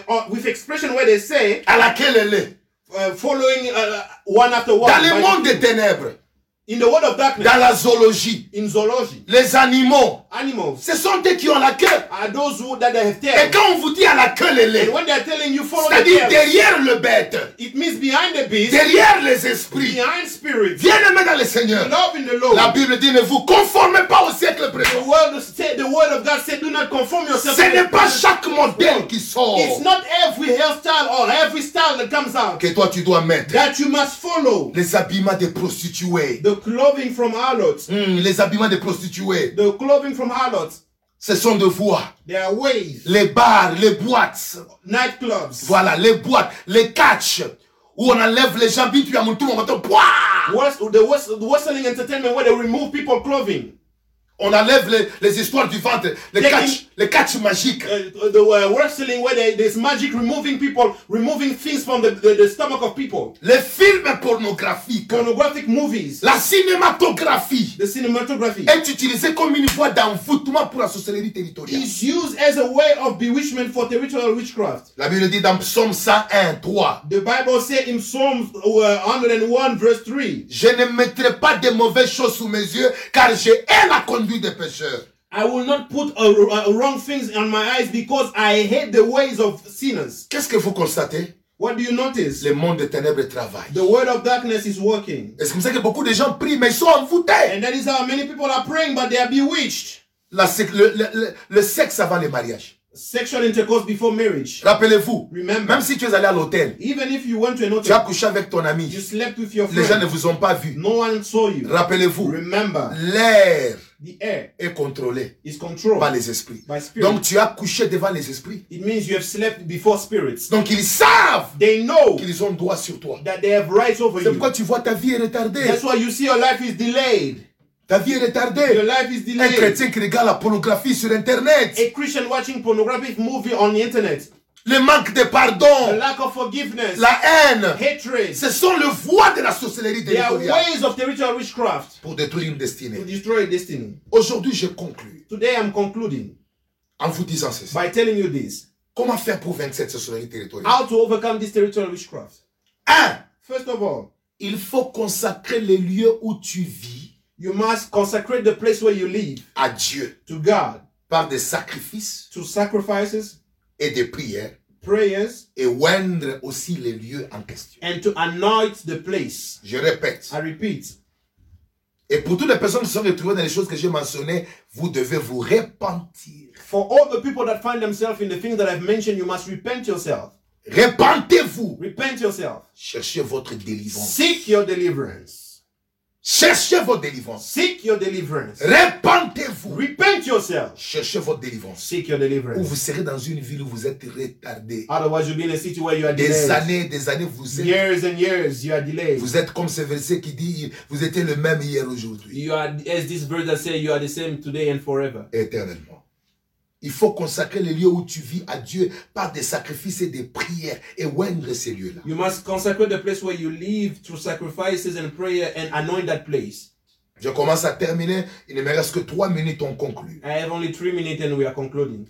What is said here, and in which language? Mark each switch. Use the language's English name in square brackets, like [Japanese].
[English] With expression where they say. [French] À laquelle elle est. [English] Following one after one. [French] Dans le monde des ténèbres. [English] In the world of darkness. [French] Dans la zoologie. [English] In zoology. [French] Les animaux. [English] Animals. [French] Ce sont eux qui ont la queue. [English] Are those who, that they have tail. [French] Et quand on vous dit à la queue, les lèvres. [English] When they are telling you follow [French] c'est-à-dire [English] the tail. [French] C'est-à-dire derrière le bête. [English] It means behind the beast. [French] Derrière les esprits. [English] Behind spirits. [French] Bien aimé dans le Seigneur. [English] Love in the Lord. [French] La Bible dit ne vous conformez pas au siècle présent. [English] The word of God said do not conform yourself. [French] Ce n'est pas chaque modèle qui sort. [English] It's not every hairstyle or every style that comes out. [French] Que toi tu dois mettre. [English] That you must follow. [French] Les habillements des prostituées. [English] The clothing from harlots. [French] Les habillements des prostituées. [English] The clothing from harlots. [French] Ce sont des voies. [English] There are ways. [French] Les bars, les boîtes. [English] Nightclubs. [French] Voilà, les boîtes, les catchs. Où on enlève les gens vite, puis à mon tour, on va dire, [English] the wrestling entertainment where they remove people clothing. [French] On enlève les histoires du ventre, les catch magiques. [English] The wrestling where there's magic removing people, removing things from the stomach of people. [French] Les films pornographiques. [English] Pornographic movies. [French] La cinématographie. [English] the cinematography. [French] Est utilisé comme une voie d'enfouissement pour la sorcellerie territoriale. [English] It's used as a way of bewitchment for territorial witchcraft. [French] La Bible dit dans Psaume 101, 3. [English] The Bible says in Psalms 101, verse 3. [French] Je ne mettrai pas de mauvaises choses sous mes yeux, car je hais la conduite des pécheurs. [English] I will not put wrong things on my eyes because I hate the ways of sinners. [French] Qu'est-ce que vous constatez? [English] What do you notice? [French] Le monde des ténèbres travaille. [English] The world of darkness is working. [French] Et c'est comme ça que beaucoup de gens prient, mais ils sont envoûtés. [English] And that is how many people are praying, but they are bewitched. [French] Le sexe avant le mariage. [English] Sexual intercourse before marriage. [French] Rappelez-vous. [English] Remember. [French] Même si tu es allé à l'hôtel. [English] Even if you went to an hotel. [French] Tu as couché avec ton ami. [English] You slept with your friend. [French] Les gens ne vous ont pas vu. [English] No one saw you. [French] Rappelez-vous. [English] Remember. [French] L'air. [English] The air [French] est contrôlé [English] is controlled [French] par les esprits. [English] By spirit. [French] Donc tu as couché devant les esprits. [English] It means you have slept before spirits. [French] Donc ils savent, [English] they know, [French] qu'ils ont droit sur toi. [English] That they have rights over [French] c'est [English] you. [French] Pourquoi tu vois ta vie est retardée. [English] That's why you see your life is delayed. [French] Ta vie est retardée. [English] Your life is delayed. [French] Un chrétien qui regarde la pornographie sur internet. [English] A Christian watching pornographic movie on the internet. [French] Le manque de pardon, [English] the lack of forgiveness, [French] la haine, [English] hatred, [French] ce sont les voies de la sorcellerie territoriale. [English] They are ways of territorial witchcraft [French] pour détruire une destinée. [English] To destroy a destiny. [French] Aujourd'hui, je conclue. [English] Today I'm concluding. [French] En vous disant ceci. [English] By telling you this. [French] Comment faire pour vaincre cette sorcellerie territoriale? [English] How to overcome this territorial witchcraft? [French] Un. [English] First of all, [French] il faut consacrer les lieux où tu vis. [English] You must consecrate the place where you live. [French] À Dieu. [English] To God. [French] Par des sacrifices. [English] To sacrifices. [French] Et des prières. [English] Prayers. [French] Et oindre aussi les lieux en question. [English] And to anoint the place. [French] Je répète. [English] I repeat. [French] Et pour toutes les personnes qui sont retrouvées dans les choses que j'ai mentionnées, vous devez vous repentir. [English] For all the people that find themselves in the things that I've mentioned, you must repent yourself. [French] Repentez-vous. [English] Repent yourself. [French] Cherchez votre délivrance. [English] Seek your deliverance. [French] Cherchez votre délivrance. [English] Seek your deliverance. [French] Repentez-vous. [English] Repent yourself. [French] Cherchez votre délivrance. [English] Seek your deliverance. [French] Ou vous serez dans une ville où vous êtes retardé. [English] Otherwise, you'll be in a city where you are [French] des [English] delayed. [French] Des années, vous êtes. [English] Years and years, you are delayed. [French] Vous êtes comme ce verset qui dit, vous étiez le même hier aujourd'hui. [English] You are as this verse that says you are the same today and forever. [French] Éternellement. Il faut consacrer les lieux où tu vis à Dieu par des sacrifices et des prières et oindre ces lieux-là. [English] You must consecrate the place where you live through sacrifices and prayer and anoint that place. [French] Je commence à terminer. Il ne me reste que 3 minutes, on conclut. [English] I have only 3 minutes and we are concluding.